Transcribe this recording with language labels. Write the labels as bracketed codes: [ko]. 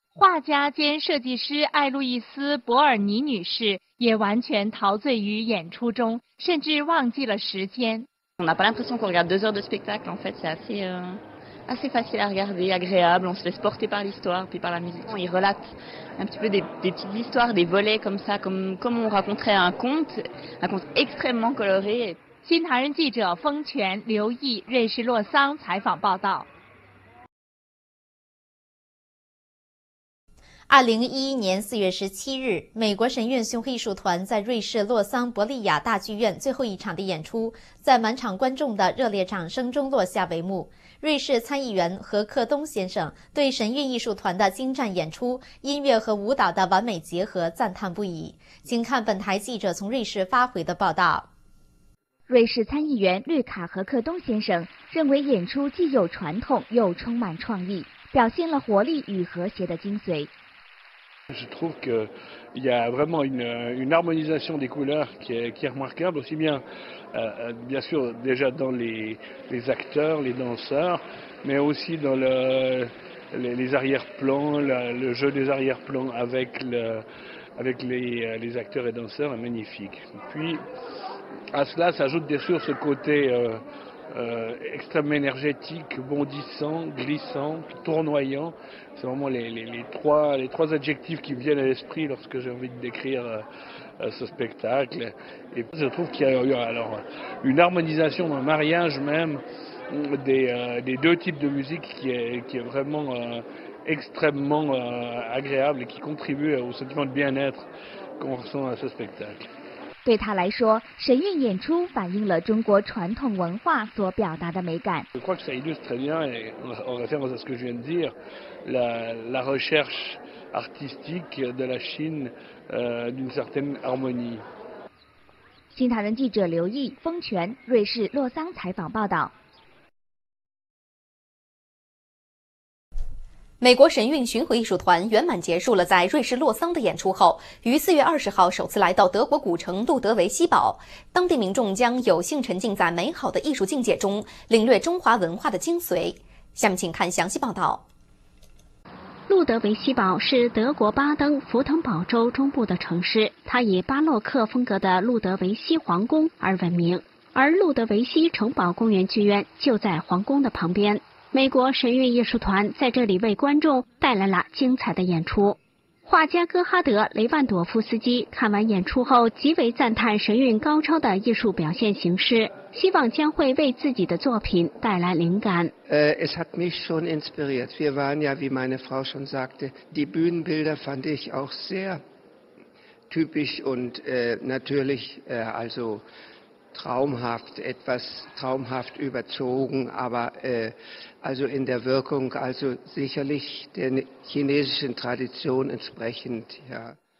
[zh] 画家兼设计师艾路易斯·博尔尼女士也完全陶醉于演出中，甚至忘记了时间。 [fr] On n'a pas l'impression qu'on regarde deux heures de spectacle. En fait, c'est assez facile à regarder, agréable. On se laisse porter par l'histoire puis par la musique. Ils relatent un petit peu des petites histoires, des volets comme ça, comme on raconterait un conte extrêmement coloré. [zh] 新唐人记者封泉、刘毅，瑞士洛桑采访报道。 2011年4月17日，美国神韵巡回艺术团在瑞士洛桑伯利亚大剧院最后一场的演出，在满场观众的热烈掌声中落下帷幕。瑞士参议员何克东先生对神韵艺术团的精湛演出、音乐和舞蹈的完美结合赞叹不已。请看本台记者从瑞士发回的报道。瑞士参议员绿卡何克东先生认为，演出既有传统又充满创意，表现了活力与和谐的精髓。 [fr] Je trouve qu'il y a vraiment une harmonisation des couleurs qui est remarquable, aussi bien, bien sûr, déjà dans les acteurs, les danseurs, mais aussi dans les arrière-plans, le jeu des arrière-plans avec les acteurs et danseurs est magnifique. Puis, à cela s'ajoute bien sûr ce côté extrêmement énergétique, bondissant, glissant, tournoyant. C'est vraiment les trois adjectifs qui viennent à l'esprit lorsque j'ai envie de décrire ce spectacle. Et je trouve qu'il y a eu alors une harmonisation, un mariage même des deux types de musique qui est vraiment extrêmement agréable et qui contribue au sentiment de bien-être qu'on ressent à ce spectacle. [zh] 对他来说，神韵演出反映了中国传统文化所表达的美感。 [fr] Je crois que ça illustre très bien, et en référence à ce que je viens de dire, la recherche artistique de la Chine, d'une certaine harmonie. [zh] 新唐人记者刘毅、封泉，瑞士洛桑采访报道。美国神韵巡回艺术团圆满结束了在瑞士洛桑的演出后，于4月20号首次来到德国古城路德维希堡，当地民众将有幸沉浸在美好的艺术境界中，领略中华文化的精髓。下面请看详细报道。路德维希堡是德国巴登福腾堡州中部的城市，它以巴洛克风格的路德维希皇宫而闻名，而路德维希城堡公园剧院就在皇宫的旁边。美国神韵艺术团在这里为观众带来了精彩的演出。画家戈哈德·雷万朵夫斯基看完演出后极为赞叹神韵高超的艺术表现形式，希望将会为自己的作品带来灵感。 [de] Es hat mich schon inspiriert. Wir waren ja, wie meine Frau schon sagte, die Bühnenbilder fand ich auch sehr typisch und natürlich, also traumhaft, etwas traumhaft überzogen, aber also in der Wirkung, also sicherlich der chinesischen Tradition entsprechend, ja.